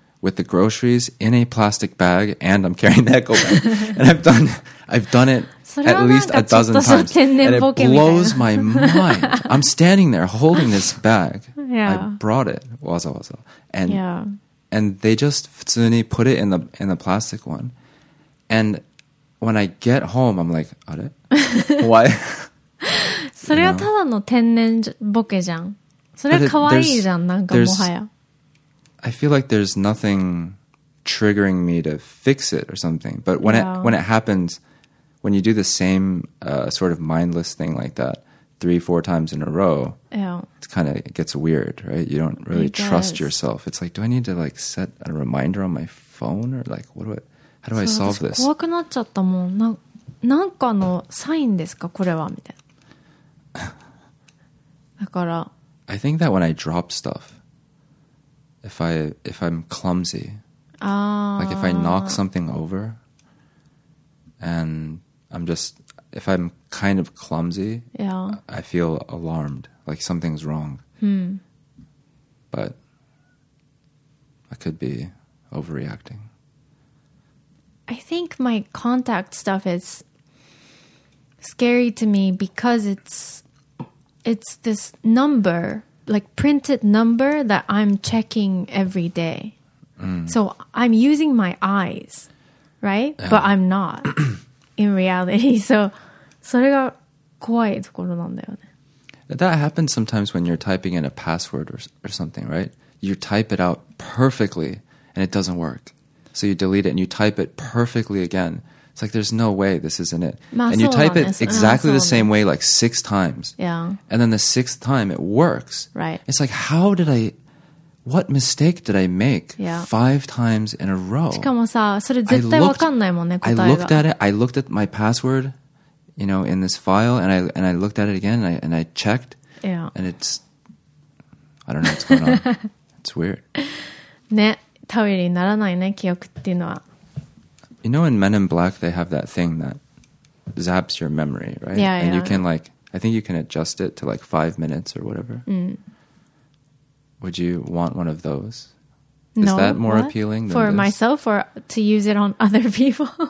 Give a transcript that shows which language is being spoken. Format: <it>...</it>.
<en>With the groceries in a plastic bag, and I'm carrying the echo bag, and I've done it at least a dozen times, and it blows my mind. I'm standing there holding this bag. Yeah. I brought it, wazawaza, and yeah. And they just 普通に put it in the plastic one, and when I get home, I'm like, あれ? Why?</en> <ja>それはただの天然ボケじゃん。それは可愛いじゃん。なんかもはや。</ja> <en>I feel like there's nothing triggering me to fix it or something. But when it happens, when you do the same sort of mindless thing like that 3-4 times in a row, yeah. It kind of gets weird, right? You don't really trust yourself. It's like, do I need to like set a reminder on my phone? Or like, how do I solve this?</en> <ja>怖くなっちゃったもん。なんかのサインですか、これは、みたいな。だから。</ja> <en>I think that when I drop stuff,If I'm clumsy, like if I knock something over, and I'm just, if I'm kind of clumsy, I feel alarmed, like something's wrong. But I could be overreacting. I think my contact stuff is scary to me because it's this number. Like printed number that I'm checking every day. So I'm using my eyes, right? Yeah. But I'm not in reality.</en> <ja>So, それが怖いところなんだよね。</ja> <en>That happens sometimes when you're typing in a password or something, right? You type it out perfectly and it doesn't work. So you delete it and you type it perfectly again. It's like there's no way this isn't it. And you type it exactly the same way like 6 times. Yeah. And then the 6th time it works. Right. It's like what mistake did I make 5 times in a row?</en> <ja>しかもさ、それ絶対わかんないもんね、答えが。</ja> <en>I looked at my password you know, in this file, and I looked at it again, and I checked, yeah, and it's, I don't know what's going on. It's weird.</en> <ja>ね、頼りにならないね、記憶っていうのは。</ja> <en>You know, in Men in Black, they have that thing that zaps your memory, right? Yeah, yeah. And you can, like, I think you can adjust it to, like, 5 minutes or whatever. Would you want one of those? No. Is that more appealing than for this? Myself or to use it on other people?</en>